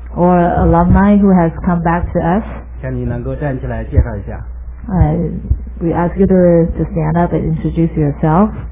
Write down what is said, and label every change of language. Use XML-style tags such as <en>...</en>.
<en>Or alumni who has come back to us.</en> <zh>请你能够站起来介绍一下。</zh> <en>We ask you to stand up and introduce yourself.</en>